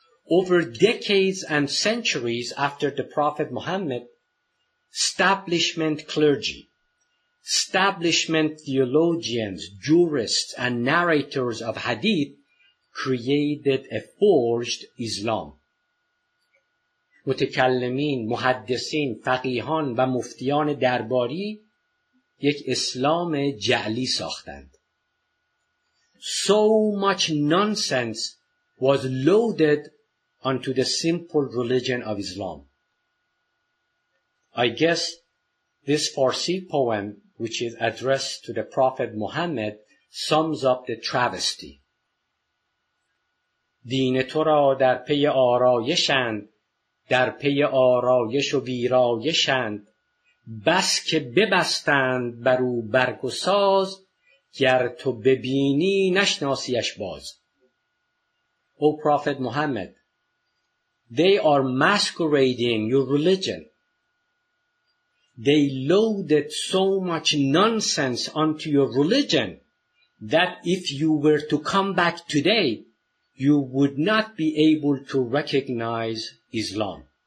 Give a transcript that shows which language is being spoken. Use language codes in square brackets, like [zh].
[en] Over decades and centuries after the Prophet Muhammad, establishment clergy, establishment theologians, jurists, and narrators of hadith created a forged Islam. [fa] متکلمین، محدثین، فقیهان و مفتیان درباری یک اسلام جعلی ساختند. [en] So much nonsense was loaded onto the simple religion of Islam. I guess this Farsi poem, which is addressed to the Prophet Muhammad, sums up the travesty. [fa] دین تو را در پی آرایشند، در پی آرایش و ویرایشند، بس که ببستند برو برگ و ساز، گر تو ببینی نشناسیش باز. [en] O Prophet Muhammad, they are masquerading your religion. They loaded so much nonsense onto your religion that if you were to come back today, you would not be able to recognize Islam.